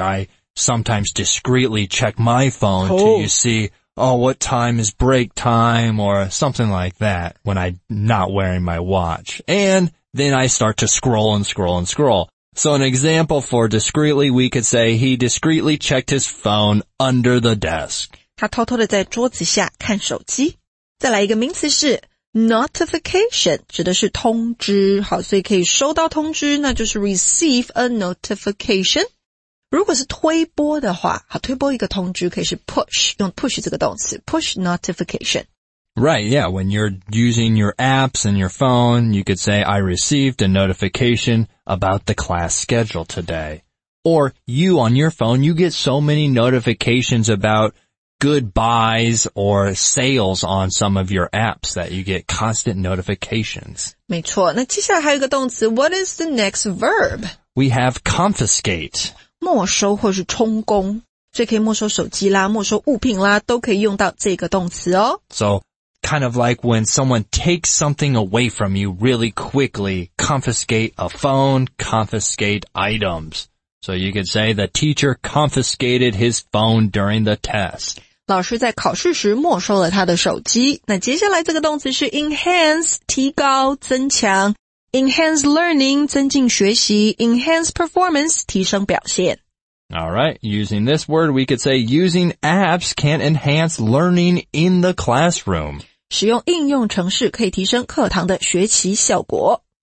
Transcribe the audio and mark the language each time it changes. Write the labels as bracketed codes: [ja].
[en] I sometimes discreetly check my phone to you see, oh, what time is break time or something like that when I'm not wearing my watch. And... Then I start to scroll and scroll and scroll. So an example for discreetly, we could say he discreetly checked his phone under the desk. [zh] 他偷偷地在桌子下看手机。再来一个名词是 notification, 指的是通知。好，所以可以收到通知，那就是 [en] receive a notification。 [zh] 如果是推播的话，好，推播一个通知可以是 push, 用 push 这个动词 ,push notification。 [en] Right, yeah, when you're using your apps and your phone, you could say, I received a notification about the class schedule today. Or you on your phone, you get so many notifications about goodbyes or sales on some of your apps that you get constant notifications. [zh] 没错,那接下来还有一个动词, [en] what is the next verb? We have confiscate. [zh] 没收或是充公,所以可以没收手机啦,没收物品啦,都可以用到这个动词哦。 [en] So,Kind of like when someone takes something away from you really quickly, confiscate a phone, confiscate items. So you could say the teacher confiscated his phone during the test. [zh] 老师在考试时没收了他的手机。那接下来这个动词是 enhance, 提高、增强。 Enhance learning, 增进学习。Enhance performance, 提升表现。 [en] All right, using this word, we could say using apps can enhance learning in the classroom. [zh] 使用应用程式可以提升课堂的学习效果。